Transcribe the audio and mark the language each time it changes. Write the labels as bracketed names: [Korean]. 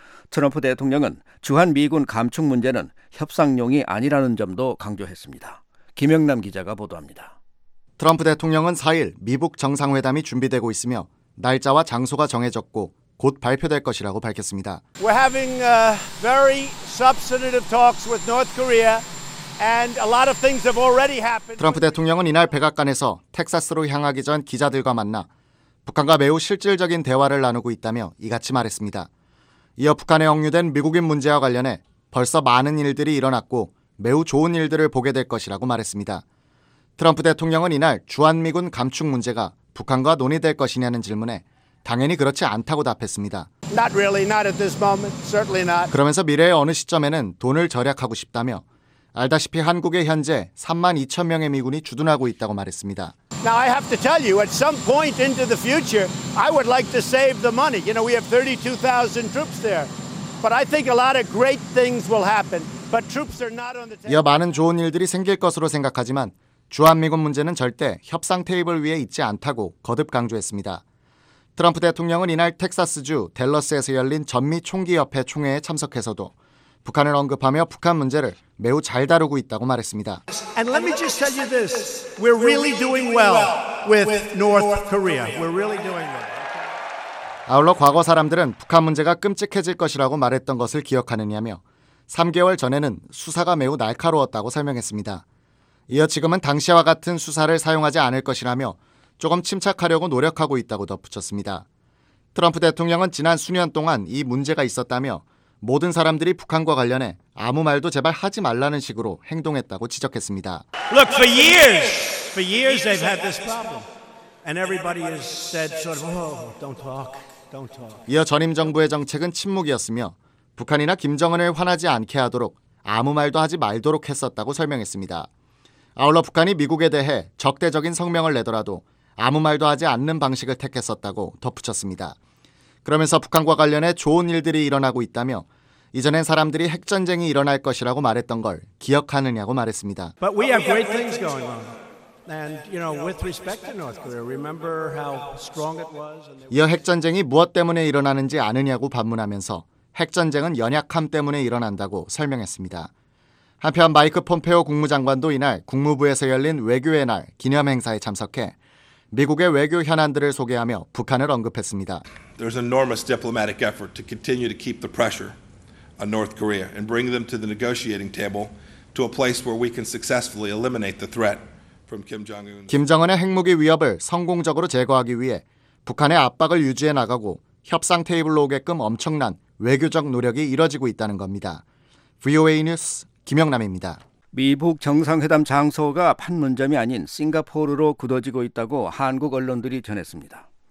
[Korean] 트럼프 대통령은 주한미군 감축 문제는 협상용이 아니라는 점도 강조했습니다. 김영남 기자가 보도합니다. 트럼프 대통령은 4일 미북 정상회담이 준비되고 있으며 날짜와 장소가 정해졌고 곧 발표될 것이라고 밝혔습니다. [English] We're having very substantive talks with North Korea And a lot of things have already happened. [Korean] 트럼프 대통령은 이날 백악관에서 텍사스로 향하기 전 기자들과 만나 북한과 매우 실질적인 대화를 나누고 있다며 이같이 말했습니다. 이어 북한에 억류된 미국인 문제와 관련해 벌써 많은 일들이 일어났고 매우 좋은 일들을 보게 될 것이라고 말했습니다. 트럼프 대통령은 이날 주한미군 감축 문제가 북한과 논의될 것이냐는 질문에 당연히 그렇지 않다고 답했습니다. [English] Not really, not at this moment. Certainly not. [Korean] 그러면서 미래의 어느 시점에는 돈을 절약하고 싶다며 알다시피 한국에 현재 3만 2천 명의 미군이 주둔하고 있다고 말했습니다. [English] Now I have to tell you, at some point into the future, I would like to save the money. You know, we have 32,000 troops there. But I think a lot of great things will happen. But troops are not on the table. [Korean] 이어 많은 좋은 일들이 생길 것으로 생각하지만 주한미군 문제는 절대 협상 테이블 위에 있지 않다고 거듭 강조했습니다. 트럼프 대통령은 이날 텍사스주 댈러스에서 열린 전미총기협회 총회에 참석해서도 북한을 언급하며 북한 문제를 매우 잘 다루고 있다고 말했습니다. [English] And let me just tell you this. We're really doing well with North Korea. We're really doing well. [Korean] 아울러 과거 사람들은 북한 문제가 끔찍해질 것이라고 말했던 것을 기억하느냐며 3개월 전에는 수사가 매우 날카로웠다고 설명했습니다. 이어 지금은 당시와 같은 수사를 사용하지 않을 것이라며 조금 침착하려고 노력하고 있다고 덧붙였습니다. 트럼프 대통령은 지난 수년 동안 이 문제가 있었다며 모든 사람들이 북한과 관련해 아무 말도 제발 하지 말라는 식으로 행동했다고 지적했습니다. [English] Look, for years they've had this problem. And everybody has said sort of, oh, don't talk, don't talk. [Korean] 이어 전임 정부의 정책은 침묵이었으며 북한이나 김정은을 화나지 않게 하도록 아무 말도 하지 말도록 했었다고 설명했습니다. 아울러 북한이 미국에 대해 적대적인 성명을 내더라도 아무 말도 하지 않는 방식을 택했었다고 덧붙였습니다. 그러면서 북한과 관련해 좋은 일들이 일어나고 있다며 이전엔 사람들이 핵전쟁이 일어날 것이라고 말했던 걸 기억하느냐고 말했습니다. [English] But we have great things going on. And you know, with respect to North Korea, remember how strong it was. [Korean] 이어 핵전쟁이 무엇 때문에 일어나는지 아느냐고 반문하면서 핵전쟁은 연약함 때문에 일어난다고 설명했습니다. 한편 마이크 폼페오 국무장관도 이날 국무부에서 열린 외교의 날 기념 행사에 참석해 미국의 외교 현안들을 소개하며 북한을 언급했습니다. [English] There's enormous diplomatic effort to continue to keep the pressure on North Korea and bring them to the negotiating table to a place where we can successfully eliminate the threat from Kim Jong-un. [Korean] 김정은의 핵무기 위협을 성공적으로 제거하기 위해 북한의 압박을 유지해 나가고 협상 테이블로 오게끔 엄청난 외교적 노력이 이뤄지고 있다는 겁니다. VOA 뉴스 김영남입니다. 미북 정상회담 장소가 판문점이 아닌 싱가포르로 굳어지고 있다고 한국 언론들이 전했습니다.